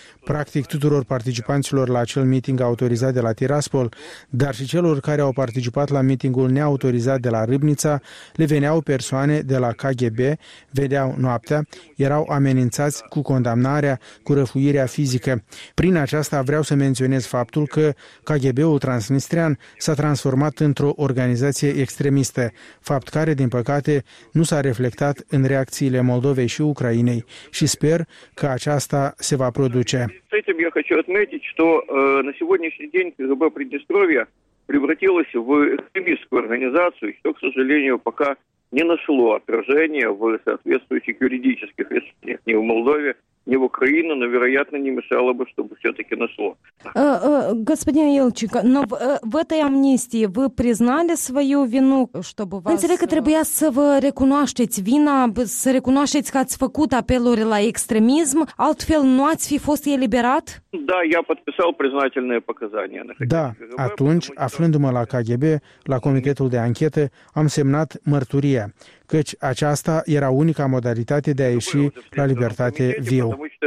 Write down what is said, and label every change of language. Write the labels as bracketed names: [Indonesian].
[Romanian] Practic, tuturor participanților la acel miting autorizat de la Tiraspol, dar și celor care au participat la mitingul neautorizat de la Râbnița, le veneau persoane de la KGB, vedeau noaptea, erau amenințați cu condamnarea, cu răfuirea fizică. Prin aceasta vreau să menționez faptul că KGB-ul transnistrean s-a transformat într-o organizație extremistă, fapt care, din păcate, nu s-a reflectat în reacțiile Moldovei și Ucrainei și sper că aceasta se va produce. [Russian] С этим я хочу отметить, что на сегодняшний день КГБ Приднестровья превратилось в экстремистскую организацию, что, к сожалению, пока не нашло отражения в соответствующих юридических решениях ни в Молдове, ни в Украине, но, вероятно, не мешало бы, чтобы все-таки нашло. Господин Ильченко, но в этой амнистии вы признали свою вину, чтобы вас... [Romanian] Înțeleg că trebuia să vă recunoașteți vina, să recunoașteți că ați făcut apeluri la extremism, altfel nu ați fi fost eliberat? [Russian] Da, я подписал признательные показания. [Romanian] Да, atunci, aflându-mă la KGB, la Comitetul de Anchete, am semnat mărturia, căci aceasta era unica modalitate de a ieși la libertate viu.